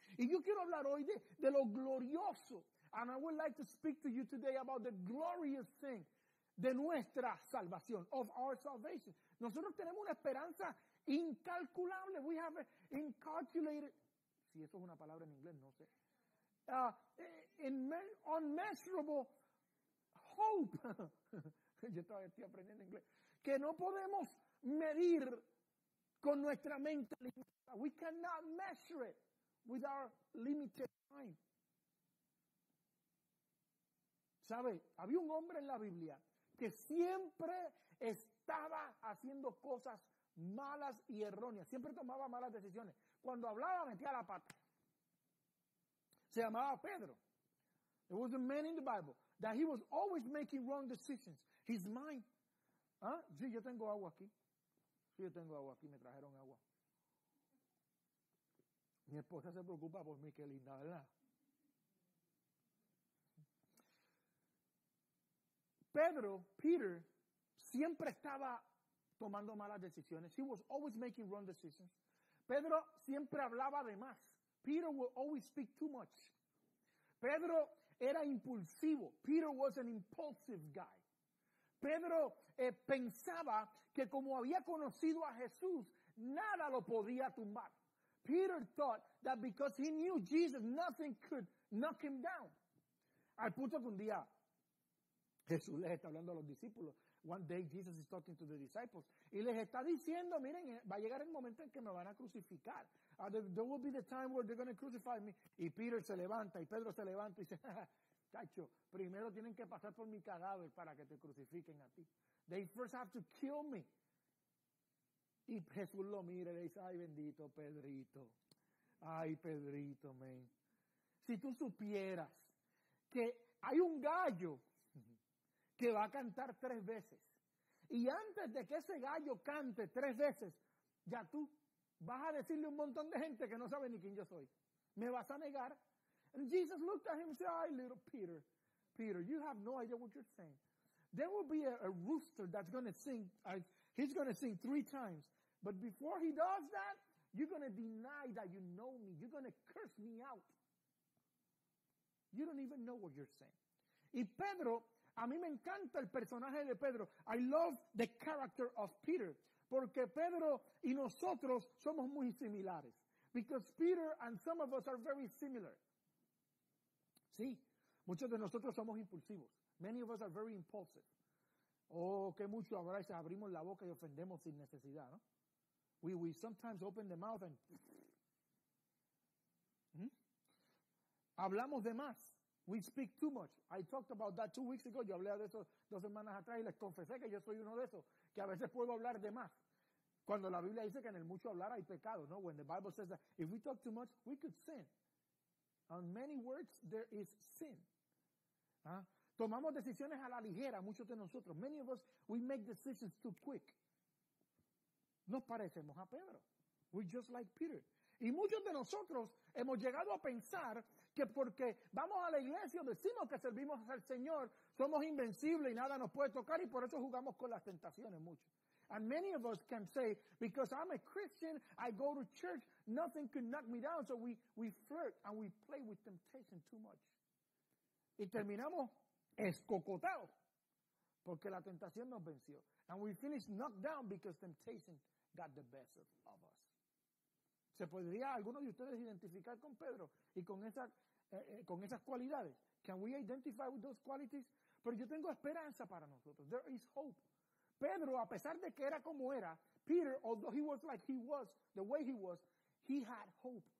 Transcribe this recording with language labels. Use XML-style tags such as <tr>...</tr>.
<es>Y yo quiero hablar hoy de lo glorioso.</es> <en>And I would like to speak to you today about the glorious thing</en> <es>de nuestra salvación,</es> <en>of our salvation.</en> <es>Nosotros tenemos una esperanza incalculable.</es> <en>We have incalculated,</en> <es>si eso es una palabra en inglés, no sé.</es> <en>Unmeasurable hope.</en> <es>Yo todavía estoy aprendiendo inglés. Que no podemos medir con nuestra mente limitada.</es> <en>We cannot measure it with our limited mind.</en> <es>¿Sabe? Había un hombre en la Biblia que siempre estaba haciendo cosas malas y erróneas. Siempre tomaba malas decisiones. Cuando hablaba, metía la pata. Se llamaba Pedro.</es> <en>There was a man in the Bible that he was always making wrong decisions. His mind.</en> <es>¿Ah? Sí, yo tengo agua aquí. Sí, yo tengo agua aquí. Me trajeron agua. Mi esposa se preocupa por mí, qué linda, ¿verdad? Peter, siempre estaba tomando malas decisiones.</es> <en>He was always making wrong decisions.</en> <es>Pedro siempre hablaba de más.</es> <en>Peter would always speak too much.</en> <es>Pedro era impulsivo.</es> <en>Peter was an impulsive guy.</en> <es>Pedro pensaba que como había conocido a Jesús, nada lo podía tumbar.</es> <en>Peter thought that because he knew Jesus, nothing could knock him down.</en> <es>Al punto que un día Jesús les está hablando a los discípulos.</es> <en>One day Jesus is talking to the disciples.</en> <es>Y les está diciendo, miren, va a llegar el momento en que me van a crucificar.</es> <en>There will be the time where they're going to crucify me.</en> <es>Y Peter se levanta, y Pedro se levanta y dice, chacho, primero tienen que pasar por mi cadáver para que te crucifiquen a ti.</es> <en>They first have to kill me.</en> <es>Y Jesús lo mira y le dice, ay, bendito Pedrito. Ay, Pedrito, man. Si tú supieras que hay un gallo que va a cantar tres veces. Y antes de que ese gallo cante tres veces, ya tú vas a decirle a un montón de gente que no sabe ni quién yo soy. Me vas a negar.</es> <en>And Jesus looked at him and said, ay, little Peter. Peter, you have no idea what you're saying. There will be a rooster that's going to sing. He's going to sing three times. But before he does that, you're going to deny that you know me. You're going to curse me out. You don't even know what you're saying.</en> <es>Y Pedro, a mí me encanta el personaje de Pedro.</es> <en>I love the character of Peter.</en> <es>Porque Pedro y nosotros somos muy similares.</es> <en>Because Peter and some of us are very similar.</en> <es>Sí, muchos de nosotros somos impulsivos.</es> <en>Many of us are very impulsive.</en> <es>Oh, qué mucho ahora se abrimos la boca y ofendemos sin necesidad, ¿no?</es> <en>We sometimes open the mouth and...</en> <es>Hablamos de más.</es> <en>We speak too much. I talked about that 2 weeks ago.</en> <es>Yo hablé de eso 2 semanas atrás y les confesé que yo soy uno de esos. Que a veces puedo hablar de más. Cuando la Biblia dice que en el mucho hablar hay pecado, ¿no?</es> <en>When the Bible says that if we talk too much, we could sin. On many words, there is sin. ¿Ah?</en> <es>Tomamos decisiones a la ligera, muchos de nosotros.</es> <en>Many of us, we make decisions too quick.</en> <es>Nos parecemos a Pedro.</es> <en>We're just like Peter.</en> <es>Y muchos de nosotros hemos llegado a pensar que porque vamos a la iglesia o decimos que servimos al Señor, somos invencibles y nada nos puede tocar y por eso jugamos con las tentaciones mucho.</es> <en>And many of us can say, because I'm a Christian, I go to church, nothing can knock me down. So we flirt and we play with temptation too much.</en> <es>Y terminamos escocotados porque la tentación nos venció.</es> <en>And we finish knocked down because temptation got the best of us.</en> <es>¿Se podría alguno de ustedes identificar con Pedro y con esas cualidades?</es> <en>Can we identify with those qualities?</en> <es>Pero yo tengo esperanza para nosotros.</es> <en>There is hope.</en> <es>Pedro, a pesar de que era como era,</es> <en>Peter, although he was like he was, the way he was, he had hope.</en>